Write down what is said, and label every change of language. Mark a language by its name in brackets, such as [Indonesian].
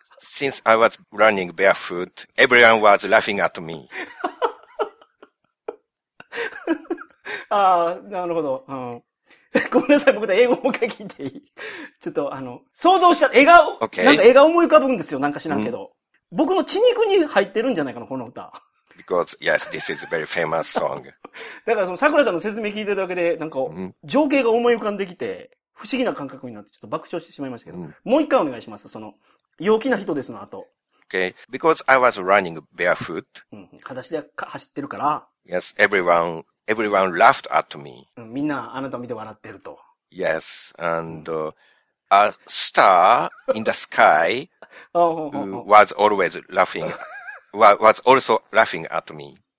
[English] Since I was running barefoot, everyone was laughing at me. [Japanese] ああ、なるほど。うん、ごめんなさい、僕で英語も書きていい。ちょっと、想像した、絵が、 [English] okay. [Japanese] なんか絵が思い浮かぶんですよ、なんか知らんけど。僕の血肉に入ってるんじゃないかな、この歌。 [English] Because, yes, this is a very famous song. [Japanese] だから、その、桜さんの説明聞いてるだけで、なんか、情景が思い浮かんできて、不思議な感覚になって、ちょっと爆笑してしまいましたけど、もう一回お願いします、その、陽気な人ですの後。 [English] Okay, because I was running barefoot. [Japanese] 裸足で走ってるから、 [English] Yes, everyone laughed at me. [Japanese] みんなあなたを見て笑ってると。 [English] Yes, and a star in the sky was always laughing, was also laughing at me.